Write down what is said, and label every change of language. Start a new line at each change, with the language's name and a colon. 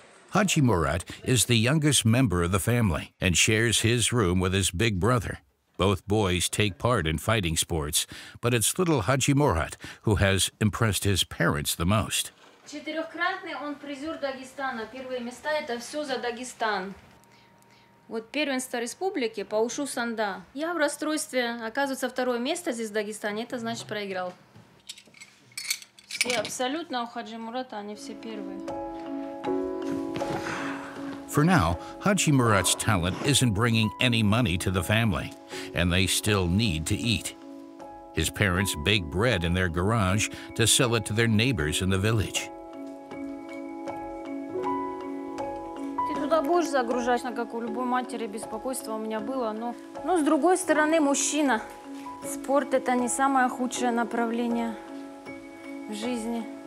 English: Haji Murat is the youngest member of the family and shares his room with his big brother. Both boys take part in fighting sports, but it's little Haji Murat who has impressed his parents the most.
Russian: Четырехкратный он призер Дагестана. Первые места – это все за Дагестан. Вот первенство республики по ушу санда. Я в расстройстве. Оказывается, второе место здесь в Дагестане – это значит проиграл. Все абсолютно у Хаджи Мурата, они все первые.
English: For now, Haji Murat's talent isn't bringing any money to the family, and they still need to eat. His parents bake bread in their garage to sell it to their neighbors in the village.
Russian: Ты туда будешь загружать, как у любой матери, беспокойство у меня было, но... Ну, с другой стороны, мужчина. Спорт – это не самое худшее направление в жизни.